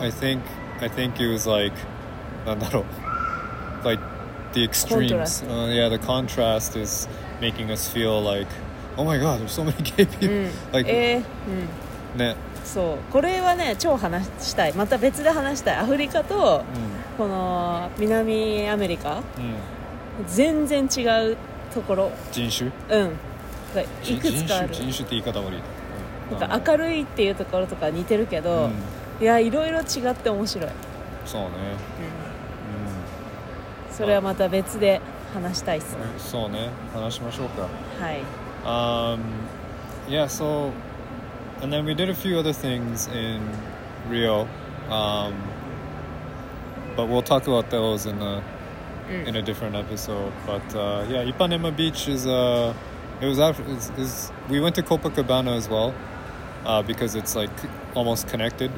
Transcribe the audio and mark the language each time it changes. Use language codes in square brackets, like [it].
[en] I think it was like, [ja] なんだろう、 [en] like the extremes. Yeah, the contrast is making us feel like, oh my god, there's so many gay people. [ja] ね。そう、これはね、超話したい。また別で話したい。アフリカとこの南アメリカ、全然違うところ。人種？いくつかある。人種って言い方悪い。なんか明るいっていうところとか似てるけど。いや、いろいろ違って面白い。そうね。それはまた別で話したいっすね。そうね。話しましょうか。はい。 [en] Yeah, so, and then we did a few other things in Rio, but we'll talk about those in a in a different episode. But yeah, Ipanema Beach is it was after, is we went to Copacabana as well, because it's like almost connected.